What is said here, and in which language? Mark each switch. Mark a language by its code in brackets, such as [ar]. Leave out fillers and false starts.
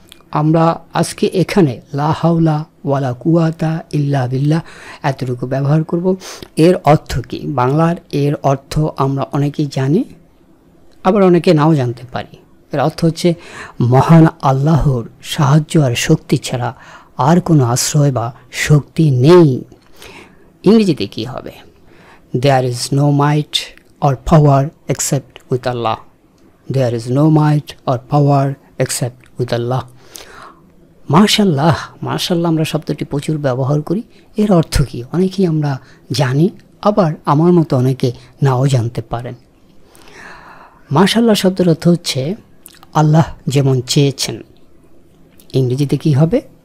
[bn] আমরা আজকে এখানে [ar] লা হাওলা ওয়ালা কুয়াতা ইল্লা বিল্লাহ [bn] এতটুকু ব্যবহার করব। এর অর্থ কী? বাংলার এর অর্থ আমরা অনেকেই জানি, আবার অনেকে নাও জানতে পারি। এর অর্থ হচ্ছে মহান আল্লাহর সাহায্য আর শক্তি ছাড়া আর কোনো আশ্রয় বা শক্তি নেই। ইংরেজিতে কী হবে? [en] There is no might or power except with Allah. There is no might or power except with Allah. [bn] মাশাল্লাহ, মাশাল্লাহ আমরা শব্দটি প্রচুর ব্যবহার করি, এর অর্থ কী? অনেকেই আমরা জানি, আবার আমার মতো অনেকে নাও জানতে পারেন। মাশাল্লাহ শব্দের অর্থ হচ্ছে আল্লাহ যেমন চেয়েছেন। ইংরেজিতে কী হবে?